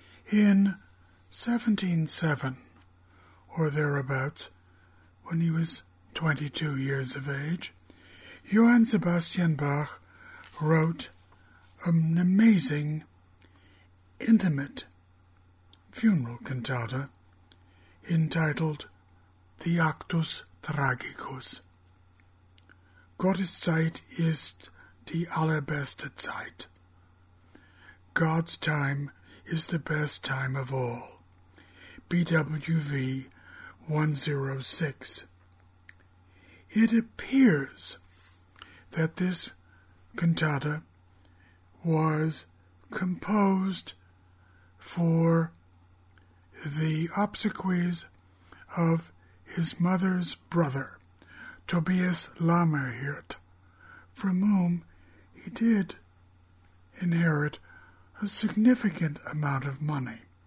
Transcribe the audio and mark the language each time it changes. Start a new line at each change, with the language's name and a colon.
English: In 1707, or thereabouts, when he was 22 years of age, Johann Sebastian Bach wrote an amazing, intimate funeral cantata entitled The Actus Tragicus.
German: Gottes Zeit ist die allerbeste Zeit.
English: God's time is the best time of all. BWV 106. It appears that this cantata was composed for the obsequies of his mother's brother, Tobias Lammerhirt, from whom he did inherit a significant amount of money,